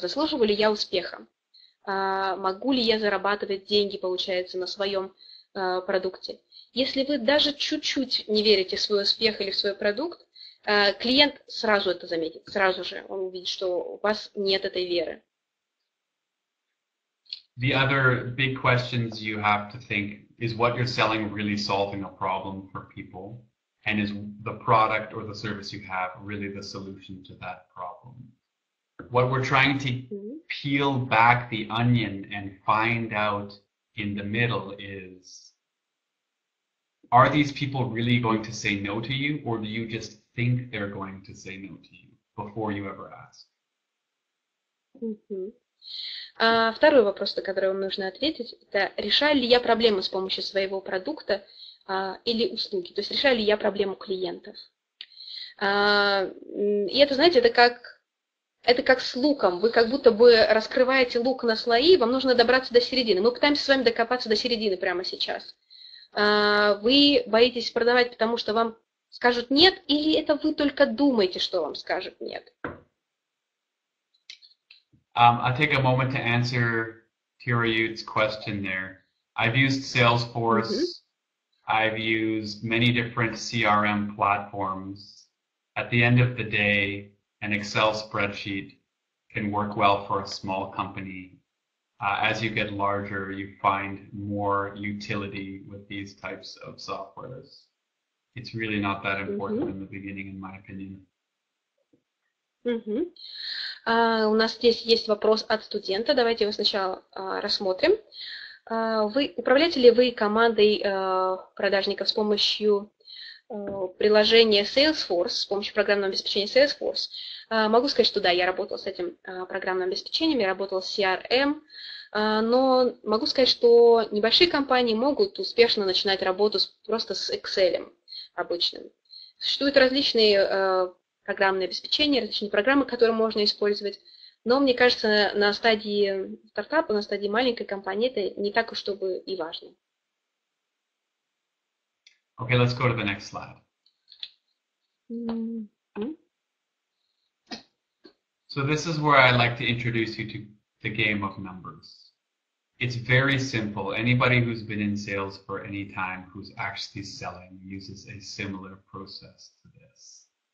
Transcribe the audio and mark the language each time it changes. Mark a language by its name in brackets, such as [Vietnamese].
[Russian] Заслуживаю ли я успеха? Могу ли я зарабатывать деньги, получается, на своем продукте? Если вы даже чуть-чуть не верите в свой успех или в свой продукт, клиент сразу это заметит, сразу же он увидит, что у вас нет этой веры. [English] The other big questions you have to think is what you're selling really solving a problem for people, and is the product or the service you have really the solution to that problem? What we're trying to peel back the onion and find out in the middle is, are these people really going to say no to you, or do you just think they're going to say no to you before you ever ask? [Russian] Второй вопрос, на который вам нужно ответить, это решаю ли я проблемы с помощью своего продукта или услуги, то есть решаю ли я проблему клиентов. И это, знаете, это как с луком, вы как будто бы раскрываете лук на слои, вам нужно добраться до середины. Мы пытаемся с вами докопаться до середины прямо сейчас. Вы боитесь продавать, потому что вам скажут нет, или это вы только думаете, что вам скажут нет? [English] I'll take a moment to answer Tirayut's question there. I've used Salesforce, I've used many different CRM platforms. At the end of the day, an Excel spreadsheet can work well for a small company. As you get larger, you find more utility with these types of softwares. It's really not that important in the beginning, in my opinion. [Russian] У нас здесь есть вопрос от студента. Давайте его сначала рассмотрим. Вы управляете ли вы командой продажников с помощью приложение Salesforce, с помощью программного обеспечения Salesforce. Могу сказать, что да, я работала с этим программным обеспечением, я работала с CRM, но могу сказать, что небольшие компании могут успешно начинать работу просто с Excel обычным. Существуют различные программные обеспечения, различные программы, которые можно использовать, но мне кажется, на стадии стартапа, на стадии маленькой компании это не так уж чтобы и важно. [English] Okay, let's go to the next slide. So this is where I like to introduce you to the game of numbers. It's very simple. Anybody who's been in sales for any time who's actually selling uses a similar process to this.